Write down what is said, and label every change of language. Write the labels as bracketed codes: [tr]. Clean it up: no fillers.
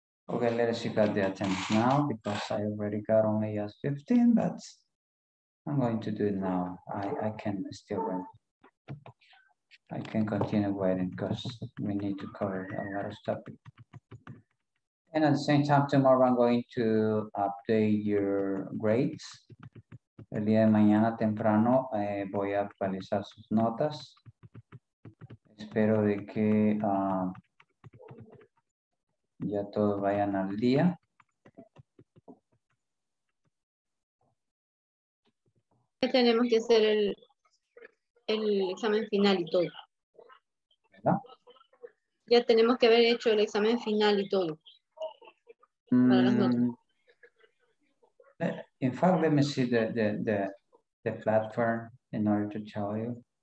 [en] Okay, let us check out the attendance now because I already got only just 15, but I'm going to do it now. I can still wait. I can continue waiting because we need to cover a lot of topics. And at the same time, tomorrow I'm going to update your grades. [es] El día de mañana temprano voy a actualizar sus notas. Espero de que ya todos vayan al día. Tenemos que hacer el examen final y todo. ¿Verdad? Ya tenemos que haber hecho el examen final y todo. [en] In fact, let me see the platform in order to tell you.